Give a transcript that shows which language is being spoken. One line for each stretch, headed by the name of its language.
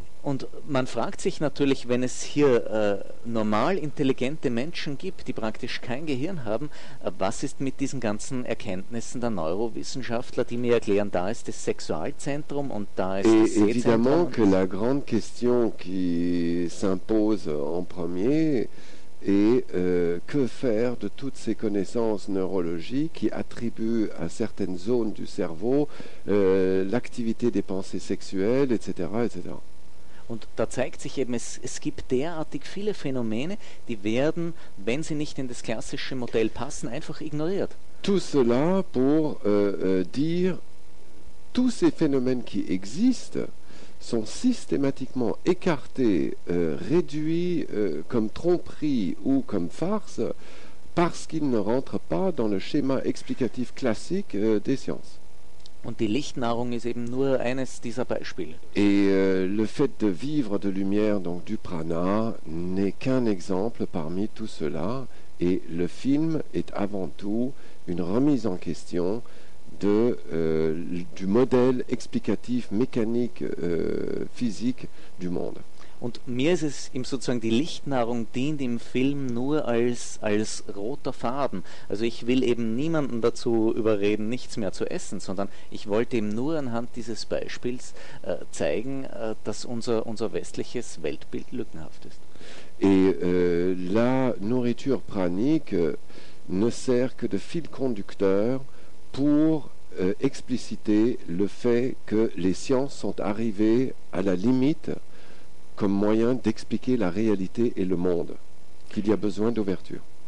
German: Und man fragt sich natürlich, wenn es hier normal intelligente Menschen gibt, die praktisch kein Gehirn haben, was ist mit diesen ganzen Erkenntnissen der Neurowissenschaftler, die mir erklären, da ist das Sexualzentrum und da ist das Sehzentrum.
French: Évidemment que la grande question qui s'impose en premier est que faire de toutes ces connaissances neurologiques qui attribuent à certaines zones du cerveau l'activité des pensées sexuelles, etc., etc.
German: Und da zeigt sich eben, es gibt derartig viele Phänomene, die werden, wenn sie nicht in das klassische Modell passen, einfach ignoriert.
French: Tout cela pour dire, tous ces phénomènes qui existent sont systématiquement écartés, réduits comme tromperie ou comme farce parce qu'il ne rentre pas dans le schéma explicatif classique des sciences. Und die Lichtnahrung ist eben nur eines dieser Beispiele. Et le fait de vivre de lumière, donc du prana, n'est qu'un exemple parmi tout cela. Et le film est avant tout une remise en question de du modèle explicatif mécanique physique du monde.
German: Und mir ist es eben sozusagen, die Lichtnahrung dient im Film nur als roter Faden. Also ich will eben niemanden dazu überreden, nichts mehr zu essen, sondern ich wollte eben nur anhand dieses Beispiels zeigen, dass unser westliches Weltbild lückenhaft ist.
French: Et la nourriture pranique ne sert que de fil conducteur pour expliciter le fait que les sciences sont arrivées à la limite comme moyen d'expliquer la réalité et le monde, qu'il y a besoin d'ouverture.